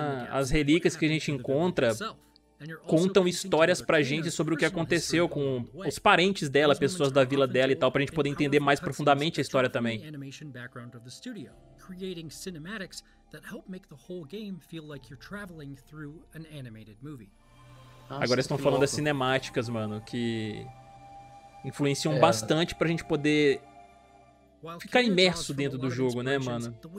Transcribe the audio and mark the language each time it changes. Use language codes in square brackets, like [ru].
[pt] As relíquias que a gente encontra contam histórias pra gente sobre o que aconteceu com os parentes dela, pessoas da vila dela e tal, pra gente poder entender mais profundamente a história também. [en] Creating cinematics that help make the whole game feel like you're traveling through an animated movie. [pt] Agora estão falando das cinemáticas, mano, que influenciam bastante pra gente poder ficar imerso dentro do jogo, né, mano?